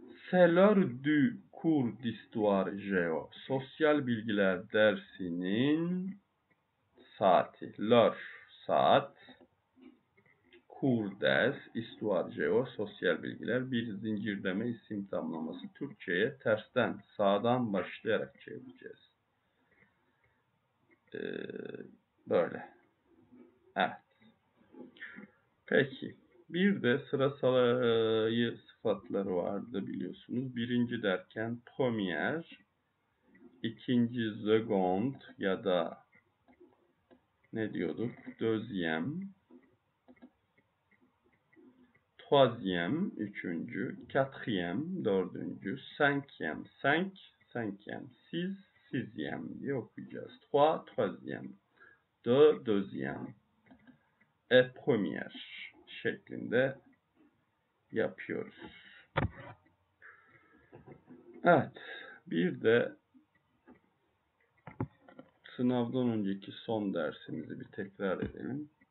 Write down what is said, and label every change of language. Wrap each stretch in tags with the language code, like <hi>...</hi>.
<fr>C'est l'heure du cours d'histoire géo.</fr> <tr>Sosyal bilgiler dersinin saati.</tr> <fr>L'heure</fr> <tr>saat.</tr> <fr>Cours des. Histoire géo.</fr> <tr>Sosyal bilgiler. Bir zincirleme isim tamlaması. Türkçe'ye tersten, sağdan başlayarak çevireceğiz. Böyle. Evet. Peki. Bir de sırasalayı sıfatları vardı biliyorsunuz. Birinci derken première, ikinci second ya da ne diyorduk?</tr> <fr>Deuxième, troisième,</fr> <tr>üçüncü,</tr> <fr>quatrième,</fr> <tr>dördüncü,</tr> <fr>cinquième, cinq, cinquième, six, sixième</fr> <tr>diye okuyacağız.</tr> <fr>Trois, troisième, deux, deuxième.</fr> <tr>E premier şeklinde yapıyoruz. Evet. Bir de sınavdan önceki son dersimizi bir tekrar edelim.</tr>